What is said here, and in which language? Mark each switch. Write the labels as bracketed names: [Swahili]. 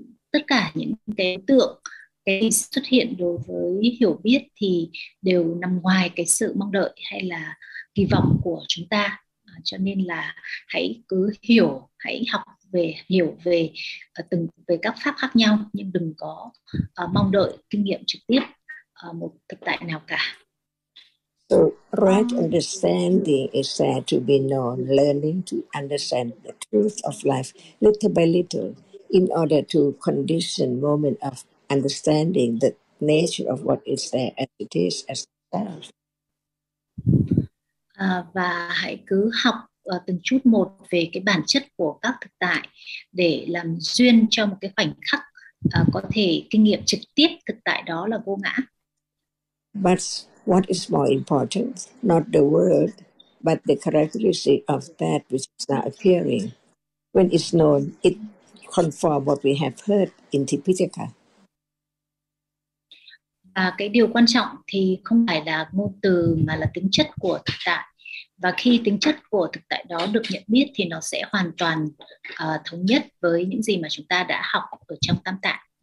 [Vietnamese] Tất cả những cái đối tượng cái xuất hiện đối với hiểu biết thì đều nằm ngoài cái sự mong đợi hay là kỳ vọng của chúng ta. cho nên là hãy cứ hiểu, hãy học về, hiểu về từng về các pháp khác nhau, nhưng đừng có mong đợi kinh nghiệm trực tiếp một thực tại nào cả. [English] So right understanding is said to be known, learning to understand the truth of life little by little in order to condition moment of understanding the nature of what is there as it is as itself. [Vietnamese] Và hãy cứ học từng chút một về cái bản chất của các thực tại để làm duyên cho một cái khoảnh khắc có thể kinh nghiệm trực tiếp thực tại đó là vô ngã. [English] But what is more important, not the word, but the characteristic of that which is now appearing. When it's known, it confirms what we have heard in Tipitaka. [Vietnamese] Và cái điều quan trọng thì không phải là ngôn từ mà là tính chất của thực tại. Và khi tính chất của thực tại đó được nhận biết thì nó sẽ hoàn toàn thống nhất với những gì mà chúng ta đã học ở trong tam tạng.